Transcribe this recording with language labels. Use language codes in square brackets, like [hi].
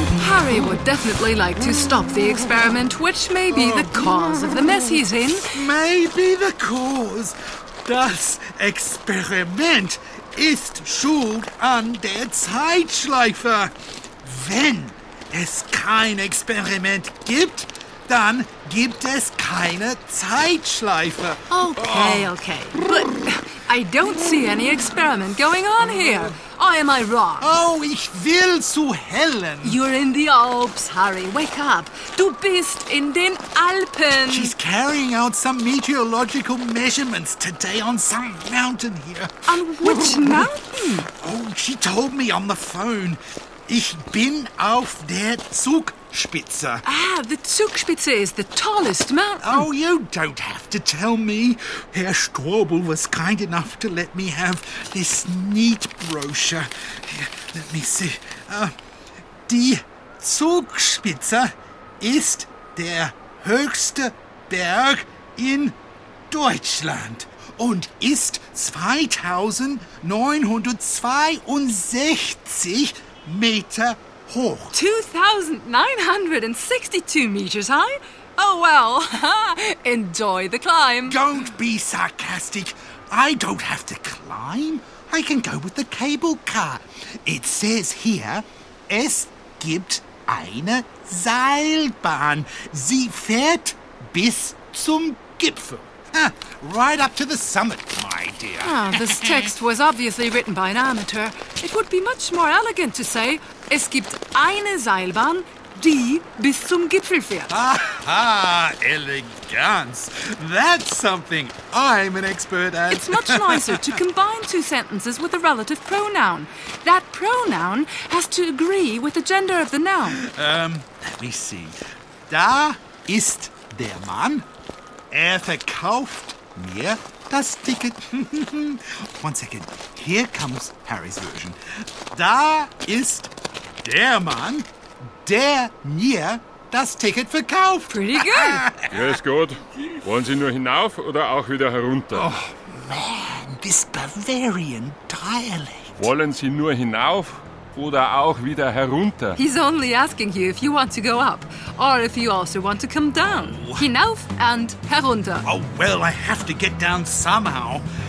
[en] Harry would definitely like to stop the experiment, which may be the cause of the mess he's in. Maybe the cause. [de] Das Experiment ist schuld an der Zeitschleife. Wenn es kein Experiment gibt, dann gibt es keine Zeitschleife. [en] Okay, okay. But I don't see any experiment going on here. Or am I wrong? [de] Oh, ich will zu Helen. [en] You're in the Alps, Harry. Wake up. [de] Du bist in den Alpen. [en] She's carrying out some meteorological measurements today on some mountain here. On which mountain? Oh, she told me on the phone. [de] Ich bin auf der Zugspitze. [en] Ah, the Zugspitze is the tallest mountain. Oh, you don't have to tell me. Herr Strobel was kind enough to let me have this neat brochure. Here, let me see. [de] Die Zugspitze ist der höchste Berg in Deutschland und ist 2962 Meter hoch. [en] 2,962 meters high? Oh well, enjoy the climb. Don't be sarcastic. I don't have to climb. I can go with the cable car. It says here, [de] es gibt eine Seilbahn. Sie fährt bis zum Gipfel. [en] Right up to the summit, my dear. Oh, this text was obviously written by an amateur. It would be much more elegant to say, [de] es gibt eine Seilbahn, die bis zum Gipfel fährt. Aha, Eleganz. [en] That's something I'm an expert at. It's much nicer to combine two sentences with a relative pronoun. That pronoun has to agree with the gender of the noun. Let me see. [de] Da ist der Mann. Er verkauft mir das Ticket. [en] One second. Here comes Harry's version. [de] Da ist der Mann, der mir das Ticket verkauft. [en] Pretty good. Yes, good. [de] Wollen Sie nur hinauf oder auch wieder herunter? [en] Oh, man, this Bavarian dialect. [de] Wollen Sie nur hinauf oder auch wieder herunter? [en] He's only asking you if you want to go up or if you also want to come down. Oh. [de] Hinauf and herunter. [en] Oh, well, I have to get down somehow.